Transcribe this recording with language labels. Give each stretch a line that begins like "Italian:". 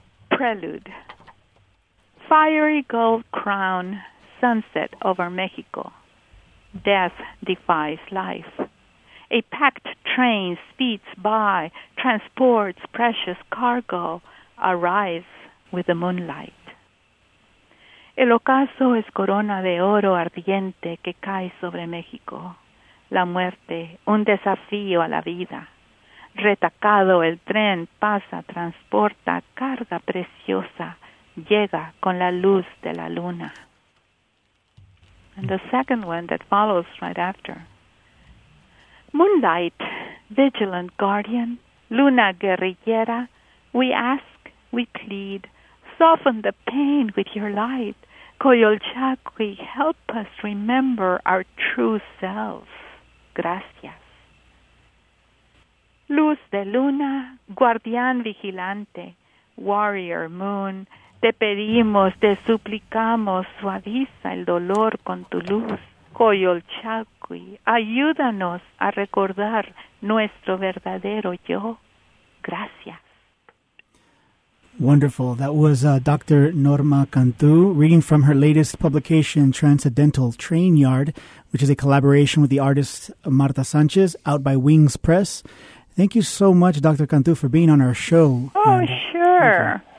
English: Prelude. Fiery gold crown, sunset over Mexico. Death defies life. A packed train speeds by, transports precious cargo, arrives with the moonlight.
Spanish: El ocaso es corona de oro ardiente que cae sobre México. La muerte, un desafío a la vida. Retacado el tren pasa, transporta carga preciosa. Llega con la luz de la luna.
English: And the second one that follows right after. Moonlight, vigilant guardian,
Spanish: luna guerrillera,
English: we ask, we plead, soften the pain with your light. Coyolxauhqui, help us remember our true selves.
Spanish: Gracias. Luz de luna, guardián vigilante,
English: warrior moon,
Spanish: te pedimos, te suplicamos, suaviza el dolor con tu luz. Coyolxauhqui, ayúdanos a recordar nuestro verdadero yo. Gracias.
English: Wonderful. That was Dr. Norma Cantú reading from her latest publication, Transcendental Train Yard, which is a collaboration with the artist Marta Sanchez, out by Wings Press. Thank you so much, Dr. Cantú, for being on our show. Oh, and, sure.